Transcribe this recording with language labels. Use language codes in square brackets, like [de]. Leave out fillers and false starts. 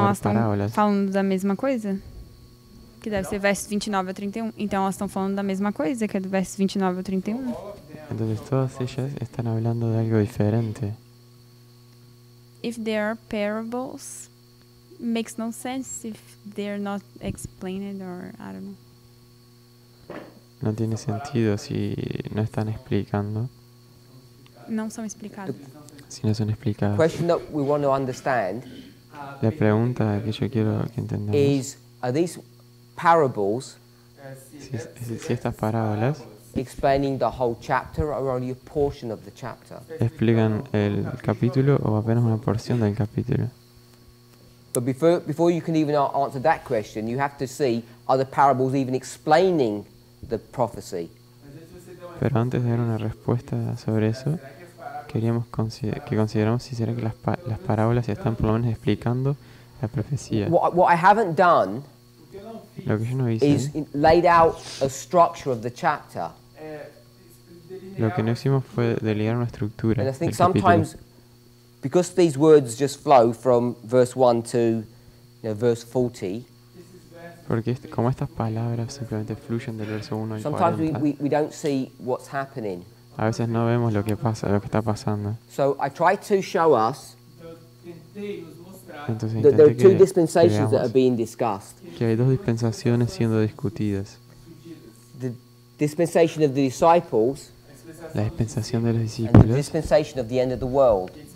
[pt] Ah, mas então elas estão falando da mesma coisa? Que deve ser verso 29 a 31. Então elas estão falando da mesma coisa, que é do verso 29 a 31. Então todas elas estão falando de algo diferente. [en] If there are parables, makes no sense if they're not explained or I don't know. [es] No tiene sentido si no están explicando. No son explicados. Si no son explicados. [en] The question that we want to understand. [es] La pregunta que yo quiero que entendamos. [en] Is are these parables? [es] Si estas parábolas. [en] Explaining the whole chapter or only a portion of the chapter. [es] Explican el capítulo o apenas una porción del capítulo. [en] But before you can even answer that question, you have to see are the parables even explaining the prophecy. [es] Pero antes de dar una respuesta sobre eso, queríamos consideramos si será que las parábolas están por lo menos explicando la profecía. [en] What I haven't done. [es] Lo que yo no hice. [en] Is laid out a structure of the chapter. [es] Lo que no hicimos fue delinear una estructura. [en] And I think sometimes, because these words just flow from verse 1 to verse 40. [es] Porque como estas palabras simplemente fluyen del verso 1 al 40. [en] Sometimes we don't see what's happening. [es] A veces no vemos lo que pasa, lo que está pasando. [en] So I try to show us. [es] Entonces, [en] that there are two dispensations that are being discussed. [es] Que hay dos dispensaciones siendo discutidas. [en] The dispensation of the disciples. [es] La dispensación de los discípulos. [en] And the dispensation of the end of the world.